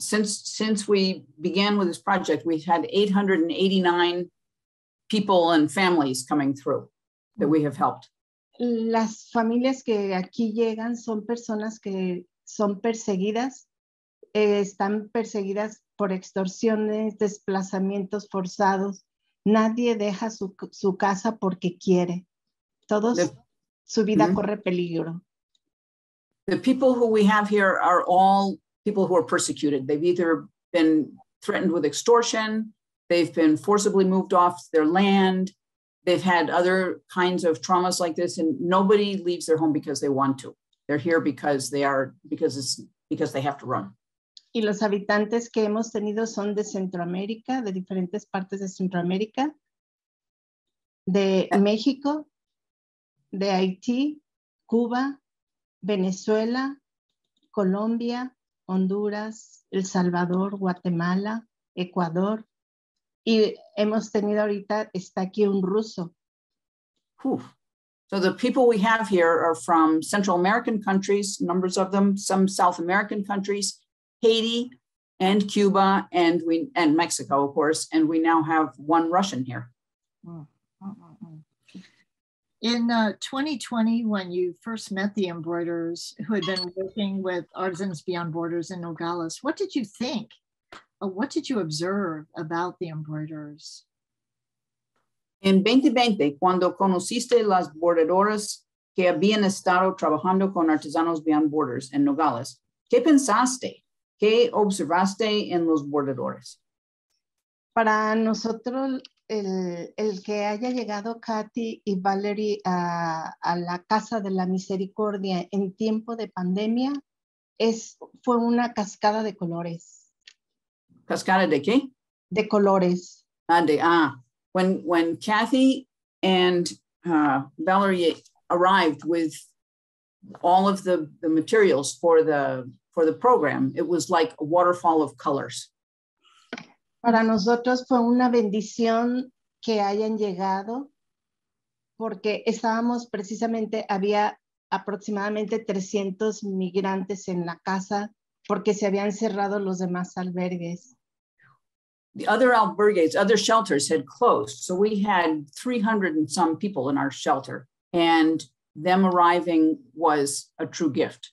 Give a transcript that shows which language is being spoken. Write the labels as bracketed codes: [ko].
[en] Since we began with this project, we've had 889 people and families coming through that we have helped. [es] Las familias que aquí llegan son personas que son perseguidas, están perseguidas por extorsiones, desplazamientos forzados. Nadie deja su casa porque quiere. Todos, su vida mm-hmm. corre peligro. [en] The people who we have here are all people who are persecuted. They've either been threatened with extortion, they've been forcibly moved off their land, they've had other kinds of traumas like this, and nobody leaves their home because they want to. They're here because they have to run. [es] Y los habitantes que hemos tenido son de Centroamérica, de diferentes partes de Centroamérica, de México, de Haití, Cuba, Venezuela, Colombia, Honduras, El Salvador, Guatemala, Ecuador. Y hemos tenido ahorita, está aquí un ruso. Whew. [en] So the people we have here are from Central American countries, numbers of them, some South American countries, Haiti and Cuba and Mexico, of course, and we now have one Russian here. In 2020, when you first met the embroiderers who had been working with Artisans Beyond Borders in Nogales, what did you think? What did you observe about the embroiderers? [es] En 2020, cuando conociste las bordadoras que habían estado trabajando con Artisanos Beyond Borders en Nogales, ¿qué pensaste? ¿Qué observaste en los bordadores? Para nosotros, el que haya llegado Katy y Valerie a la Casa de la Misericordia en tiempo de pandemia, fue una cascada de colores. ¿Cascada de qué? De colores. [en] When Kathy and Valerie arrived with all of the materials for the program, it was like a waterfall of colors. [es] Para nosotros fue una bendición que hayan llegado, porque estábamos precisamente, había aproximadamente 300 migrantes en la casa, porque se habían cerrado los demás albergues. [en] The other albergues, other shelters had closed. So we had 300 and some people in our shelter, and them arriving was a true gift.